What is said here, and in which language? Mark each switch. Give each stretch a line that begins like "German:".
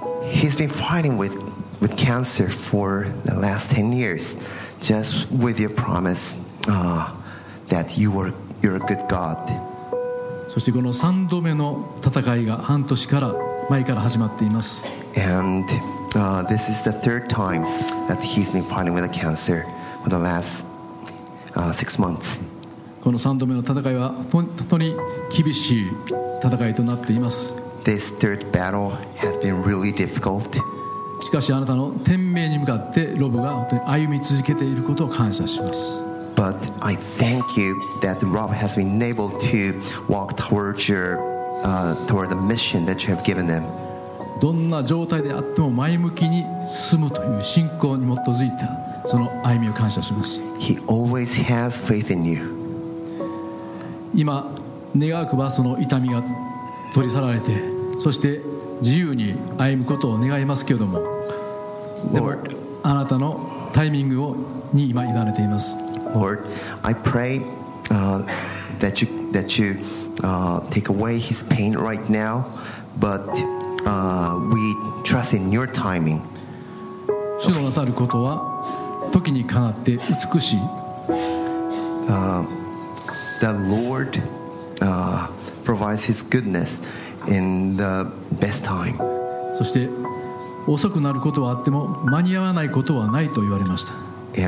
English: He's been fighting with cancer for the last 10 years, just with your promise, that you're a good God.
Japanese: そしてこの3度目の戦いが半年から前から始まっています。
English: And、this is the third time that he's been fighting with a cancer for the last、six months.
Japanese: この3度目の戦いは本当に厳しい戦いとなっています。
English: This third battle has been really difficult.
Japanese: しかしあなたの天命に向かってロブが本当に歩み続けていることを感謝します。
English: But I thank you that Rob has been able to walk towards your, toward the mission that you have given them.
Japanese: どんな状態であっても前向きに進むという信仰に基づいたその歩みを感謝します。
English: He always has faith in you.
Japanese: 今願わくばその痛みが取り去られて、そして自由に歩むことを願いますけれども、
English: Lord,
Japanese: でもあなたのタイミングに今委ねています。
English: Lord, I pray take away his pain right now, but we trust in your timing.
Japanese: 主のなさることは時にかなって美しい。
English: The Lord provides his goodness in the best time.
Japanese: そして遅くなることはあっても間に合わないことはないと言われました。